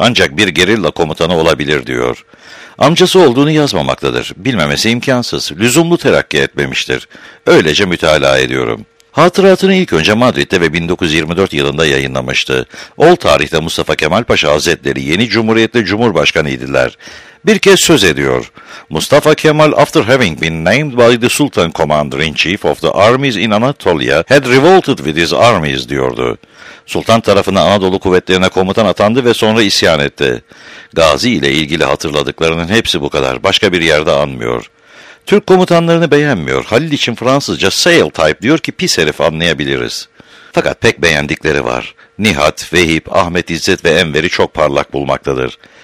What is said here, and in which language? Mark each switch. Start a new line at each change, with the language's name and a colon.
Turkish: Ancak bir gerilla komutanı olabilir diyor. Amcası olduğunu yazmamaktadır. Bilmemesi imkansız. Lüzumlu terakki etmemiştir. Öylece mütalaa ediyorum. Hatıratını ilk önce Madrid'de ve 1924 yılında yayınlamıştı. Ol tarihte Mustafa Kemal Paşa Hazretleri yeni cumhuriyetli cumhurbaşkanıydılar. Bir kez söz ediyor.
English: Mustafa Kemal, after having been named by the Sultan Commander-in-Chief of the armies in Anatolia, had revolted with his armies,
Turkish: diyordu. Sultan tarafından Anadolu kuvvetlerine komutan atandı ve sonra isyan etti. Gazi ile ilgili hatırladıklarının hepsi bu kadar. Başka bir yerde anmıyor. Türk komutanlarını beğenmiyor. Halil için Fransızca sail type diyor ki pis herif anlayabiliriz. Fakat pek beğendikleri var. Nihat, Vehip, Ahmet İzzet ve Enver'i çok parlak bulmaktadır.